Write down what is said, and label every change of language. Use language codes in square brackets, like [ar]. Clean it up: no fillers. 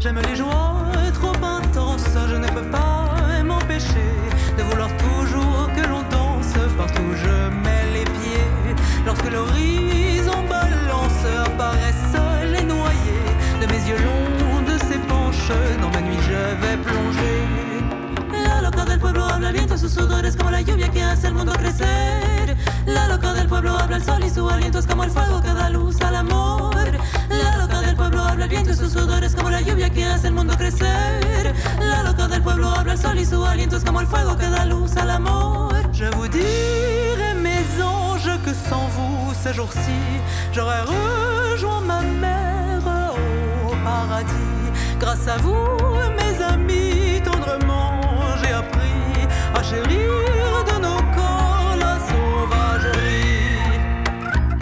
[fr] J'aime les joies trop intenses, je ne peux pas m'empêcher de vouloir toujours que l'on danse partout où je mets les pieds. Lorsque l'horizon balance, apparaissent les noyés de mes yeux longs. Dans ma nuit je vais plonger. [es] La loca del pueblo habla el viento, sus odores como la lluvia que hace el mundo crecer. La loca del pueblo habla el sol y su aliento es como el fuego que da luz al amor. La loca del pueblo habla el viento, sus odores como la lluvia que hace el mundo crecer. La loca del pueblo habla el sol y su aliento es como el fuego que da luz al amor. [fr] Je vous dirai mes anges que sans vous ces jours-ci j'aurais rejoint ma mère au paradis. Grâce à vous, mes amis, tendrement, j'ai appris à chérir de nos corps la sauvagerie.